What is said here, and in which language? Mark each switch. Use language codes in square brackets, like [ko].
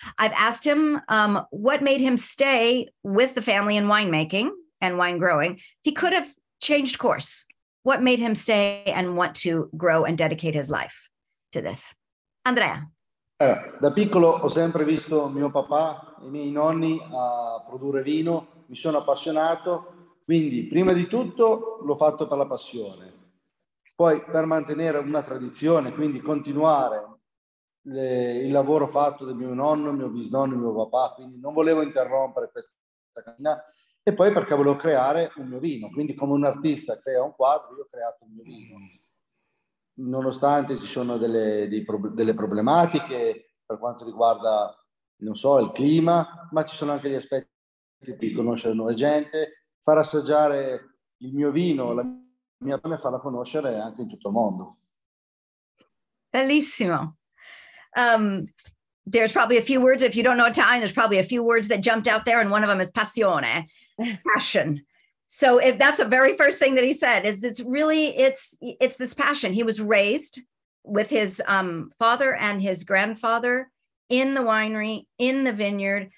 [en] I've asked him what made him stay with the family in winemaking and wine growing. He could have changed course. What made him stay and want to grow and dedicate his life to this? Andrea. [it] Da piccolo ho sempre visto mio papà e i miei nonni a produrre vino. Mi sono appassionato. Quindi, prima di tutto, l'ho fatto per la passione. Poi, per mantenere una tradizione, quindi continuare il lavoro fatto del mio nonno, mio bisnonno, mio papà, quindi non volevo interrompere questa cammina, e poi perché volevo creare un mio vino. Quindi, come un artista crea un quadro, io ho creato un mio vino. Nonostante ci sono delle problematiche per quanto riguarda, non so, il clima, ma ci sono anche gli aspetti di conoscere nuova gente, far assaggiare il mio vino, la mia pelle, farla conoscere anche in tutto il mondo. Bellissimo. [en] There's probably a few words, if you don't know Italian, there's probably a few words that jumped out there, and one of them is passione, passion. So if that's the very first thing that he said, is it's really, it's this passion. He was raised with his father and his grandfather in the winery, in the vineyard.